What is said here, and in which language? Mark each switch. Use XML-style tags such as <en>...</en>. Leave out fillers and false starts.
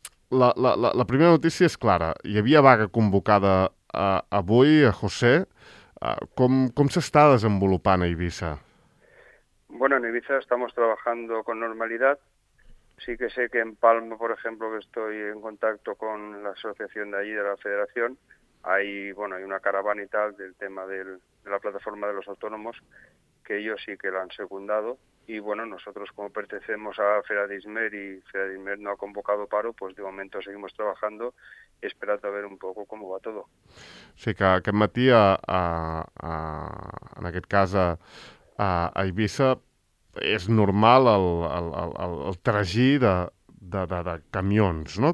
<ca>La primera notícia és clara. Hi havia vaga convocada avui, a José. Com s'està desenvolupant a Eivissa?</ca> <es>Bueno, en Eivissa estamos trabajando con normalidad. Sí que sé que en Palma, por ejemplo, que estoy en contacto con la asociación de allí, de la federación, hay una caravana y tal del tema de la plataforma de los autónomos, que ellos sí que la han secundado. Y bueno, nosotros como pertenecemos a FENADISMER y FENADISMER no ha convocado paro, pues de momento seguimos trabajando, esperando a ver un poco cómo va todo.</es> <ca>Sí, que aquest matí, en aquest cas a Eivissa, és normal el tragí de camions, no?</ca>